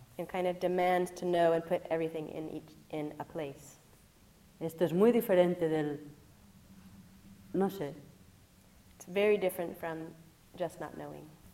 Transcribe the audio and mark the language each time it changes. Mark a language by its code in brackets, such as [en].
[en] And kind of demands to know and put everything in each, in a place. [es] Esto es muy diferente del no sé. [en] It's very different from just not knowing.